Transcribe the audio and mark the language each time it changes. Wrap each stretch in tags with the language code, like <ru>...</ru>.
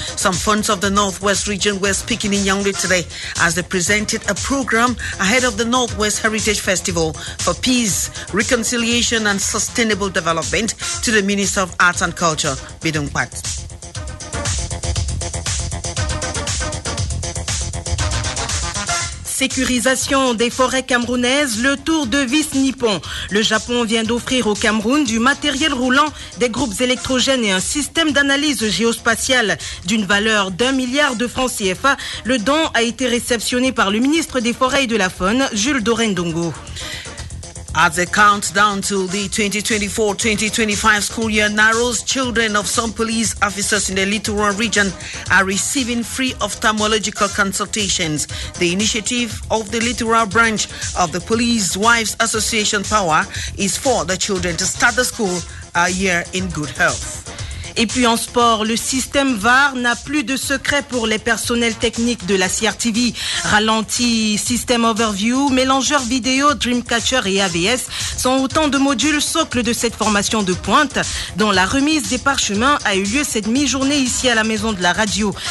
<en>Some funds of the Northwest region were speaking in Yaoundé today as they presented a program ahead of the Northwest Heritage Festival for peace, reconciliation and sustainable development to the Minister of Arts and Culture, Bidun Kwat.</en> <fr>Sécurisation des forêts camerounaises, le tour de vis nippon. Le Japon vient d'offrir au Cameroun du matériel roulant, des groupes électrogènes et un système d'analyse géospatiale d'une valeur d'1 milliard de francs CFA. Le don a été réceptionné par le ministre des Forêts et de la Faune, Jules Dorendongo.</fr> <en>As the countdown to the 2024-2025 school year narrows, children of some police officers in the Littoral region are receiving free ophthalmological consultations. The initiative of the Littoral branch of the Police Wives Association Power is for the children to start the school a year in good health.</en> <fr>Et puis en sport, le système VAR n'a plus de secret pour les personnels techniques de la CRTV. Ralenti, système overview, mélangeur vidéo, Dreamcatcher et AVS sont autant de modules socles de cette formation de pointe dont la remise des parchemins a eu lieu cette mi-journée ici à la maison de la radio.</fr>